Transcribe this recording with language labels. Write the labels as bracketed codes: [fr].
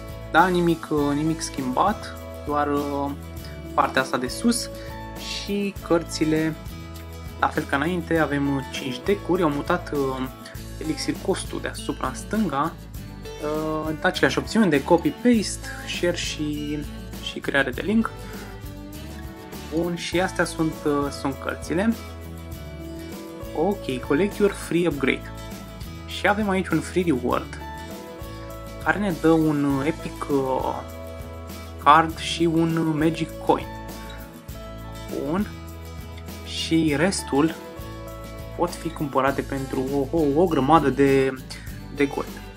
[ro] Da, nimic schimbat. Doar... partea asta de sus și cărțile, la fel ca înainte, avem 5 decuri, au mutat elixir costul deasupra în stânga, aceleași opțiuni de copy-paste, share și creare de link. Bun, și astea sunt cărțile. [en] Ok, collect your free upgrade. [ro] Și avem aici un free reward, care ne dă un epic card și un magic coin. Bun. Și restul pot fi cumpărate pentru o grămadă de gold.